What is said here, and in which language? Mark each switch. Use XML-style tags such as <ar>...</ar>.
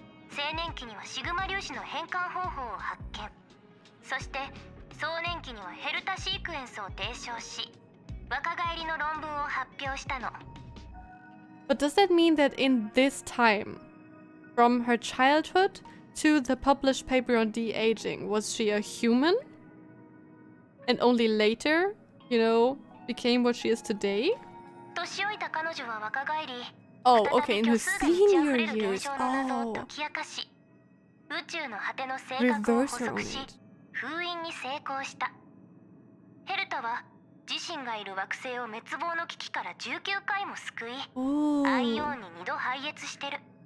<ja>青年期にはシグマ粒子の変換方法を発見。そして、壮年期にはヘルタシークエンスを提唱し、若返りの論文を発表したの。</ja> <en>But does that mean that in this time, from her childhood to the published paper on de-aging, was she a human? And only later, you know, became what she is today?</en> <ja>年老いた彼女は若返り、</ja> <en>Oh, okay, in his senior years. Oh. Reverse her own age.</en> <ja>封印に成功した。ヘルタは自身がいる惑星を滅亡の危機から19回も救い、アイオンに2度敗越してる。</ja>